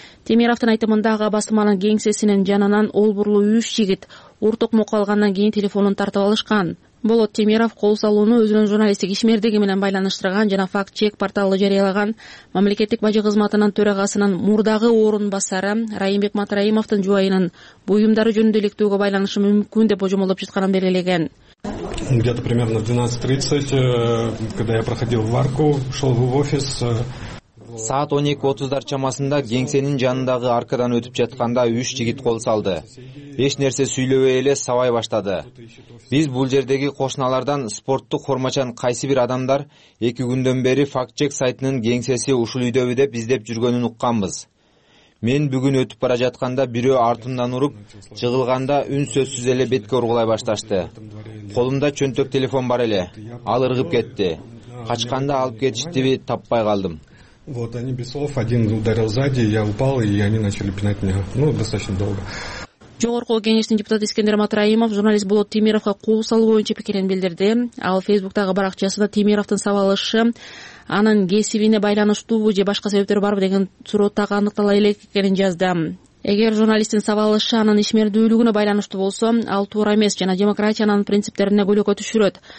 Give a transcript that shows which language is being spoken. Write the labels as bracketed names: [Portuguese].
[Kyrgyz] Темировдун айтымында ага басманын кеңсесинин жанынан олбурлуу 3 жигит урток мок алгандан кийин телефонун тартып алышкан. Болот Темиров кол салууну өзүнүн журналисттик ишмердиги менен байланыштырган жана факт чек порталы жарыялаган мамлекеттик бажы кызматынын төрагасынын мурдагы орун басары Райымбек Матраимовдун жубайынын буюмдары жөнүндө иликтөөгө байланышы мүмкүн деп божомолоп жатканын белгилеген. [Russian] Где-то примерно в 12:30, когда я проходил варку, шел в офис. [Kyrgyz] Саат 12:30 чамасында кеңсенин жанындагы аркадан өтүп жатканда 3 жигит кол салды. Эч нерсе сүйлөбөй эле сабай баштады. Биз бул жердеги кошуналардан спорттук формачан кайсы бир адамдар эки күндөн бери фактчек сайтынын кеңсеси ушул үйдөбү деп издеп жүргөнүн укканбыз. Мен бүгүн өтүп бара жатканда бирөө артымдан уруп, жыгылганда үнсөзсүз эле бетке ургулай башташты. Колумда чөнтөк телефон бар эле. Ал ыргып кетти. Качканда алып кетиштиби, таппай калдым. [Russian] Вот они без слов один ударил сзади, я упал и они начали пинать меня. Достаточно долго. [Kyrgyz] Жогорку кеңештин депутаты Искендер Матраимов журналист Болот Темировго кол салуу боюнча пикирин билдирди. Ал Facebook-тагы баракчасында Темировдун сабалышы анын кесибине байланыштуубу же башка себептер барбы деген суроо так аныктала элек экенин жазды. Эгер журналисттин сабалышы анын ишмердүүлүгүнө байланыштуу болсо, ал туура эмес жана демократиянын принциптерине көлөкө түшүрөт.